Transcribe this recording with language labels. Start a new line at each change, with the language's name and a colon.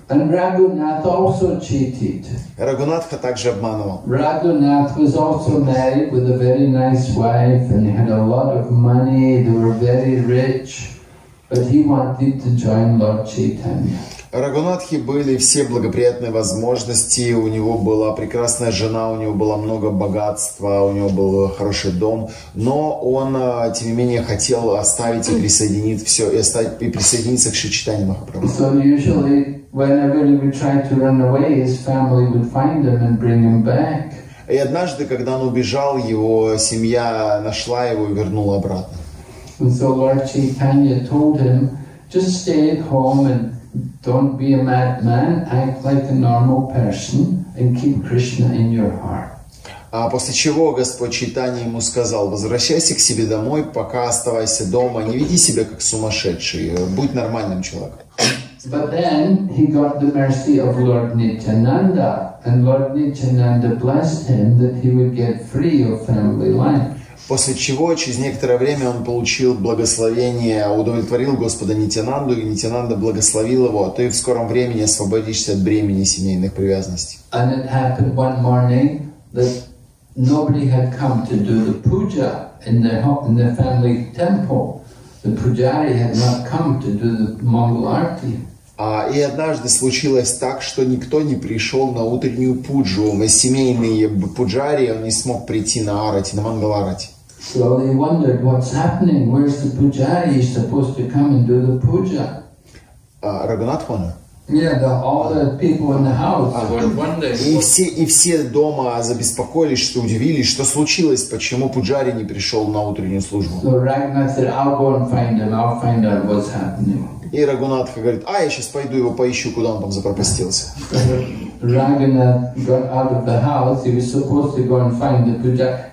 English: And Raghunath also cheated.
Russian: Рагунатха также обманывал.
English: Raghunath was also married with a very nice wife and he had a lot of money. They were very rich, but he wanted to join Lord Chaitanya.
Russian: Рагунатхи были все благоприятные возможности, у него была прекрасная жена, у него было много богатства, у него был хороший дом, но он, тем не менее, хотел оставить и присоединить все, и присоединиться к Шри Чайтанья Махапрабху.
English: So usually, whenever he would try to run away, his family would find him and bring him back.
Russian: И однажды, когда он убежал, его семья нашла его и вернула обратно.
English: And so Lord Chaitanya told him, just stay at home and don't be a madman, act like a normal person and keep Krishna in your heart.
Russian: А после чего Господь Чайтанья ему сказал, возвращайся к себе домой, пока оставайся дома, не веди себя как сумасшедший, будь нормальным человеком.
English: But then he got the mercy of Lord Nityananda, and Lord Nityananda blessed him that he would get free of family life.
Russian: После чего, через некоторое время, он получил благословение, удовлетворил Господа Нитянанду, и Нитянанда благословил его, а ты в скором времени освободишься от бремени семейных привязанностей.
English: And it happened one morning that nobody had come to do the puja in their family temple. The pujari had not come to do the Mangal Arti.
Russian: И однажды случилось так, что никто не пришел на утреннюю пуджу. На семейные пуджари он не смог прийти на арати, на мангаларати.
English: So they wondered, what's happening? Where's the pujari? He's supposed to come and do the puja.
Russian: Рагунатхана?
English: Yeah, the, all the people in the house.
Russian: И все дома забеспокоились, что удивились, что случилось, почему Пуджари не пришел на утреннюю службу.
English: So Raghunath said, I'll go and find him. I'll find out what's happening.
Russian: И Рагунатха говорит, я сейчас пойду его поищу, куда он там запропастился.
English: Raghunath got out of the house. He was supposed to go and find the Pujari.